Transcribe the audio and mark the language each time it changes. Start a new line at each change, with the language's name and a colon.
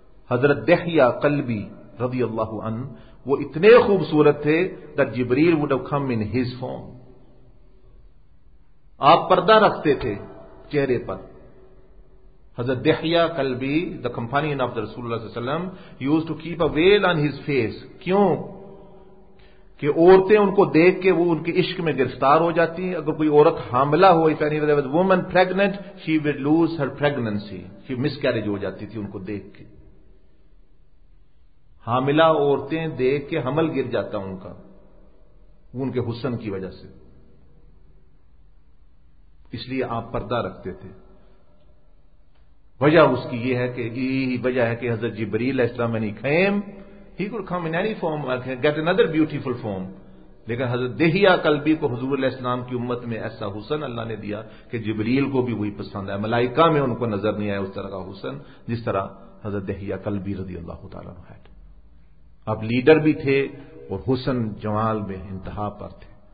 Urdu: Hazrat Dihya Qalbi radhiyallahu an, wo itne khoobsurat the
English: that Jibril would have come in his form.
Urdu: آپ پردہ رکھتے تھے چہرے پر.
English: حضرت دحیہ قلبی the companion of the رسول اللہ صلی اللہ علیہ وسلم used to keep a veil on his face.
Urdu: کیوں؟ کہ عورتیں ان کو دیکھ کے وہ ان کے عشق میں گرفتار ہو جاتی ہیں. اگر کوئی عورت حاملہ ہو,
English: if any woman pregnant, she will lose her pregnancy,
Urdu: she miscarriage ہو جاتی تھی ان کو دیکھ کے. حاملہ عورتیں دیکھ کے حمل گر جاتا ان کا, ان کے حسن کی وجہ سے. اس لئے آپ پردہ رکھتے تھے. وجہ اس کی یہ ہے کہ
English: حضرت جبریل علیہ السلام when he came, he could come in any form, get another beautiful form.
Urdu: لیکن حضرت دہیہ قلبی کو حضور علیہ السلام کی امت میں ایسا حسن اللہ نے دیا کہ جبریل کو بھی وہی پسند ہے. ملائکہ میں ان کو نظر نہیں آیا اس طرح کا حسن جس طرح حضرت دہیہ قلبی رضی اللہ تعالیٰ عنہ. اب لیڈر بھی تھے اور حسن جمال میں انتہا پر تھے.